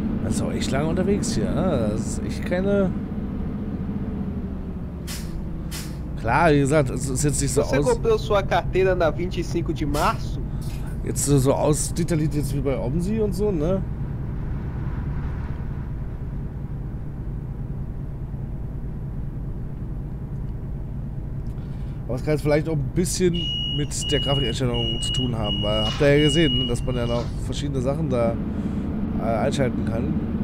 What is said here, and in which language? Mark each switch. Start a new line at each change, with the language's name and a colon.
German: ist auch echt lange unterwegs hier. Ne? Das ist echt keine. Klar, wie gesagt, es ist jetzt nicht so aus.
Portuguese: Você comprou sua carteira na 25 de março?
German: Jetzt so ausdetailliert jetzt wie bei OMSI und so, ne? Aber es kann jetzt vielleicht auch ein bisschen mit der Grafikeinstellung zu tun haben, weil habt ihr ja gesehen, dass man ja noch verschiedene Sachen da einschalten kann.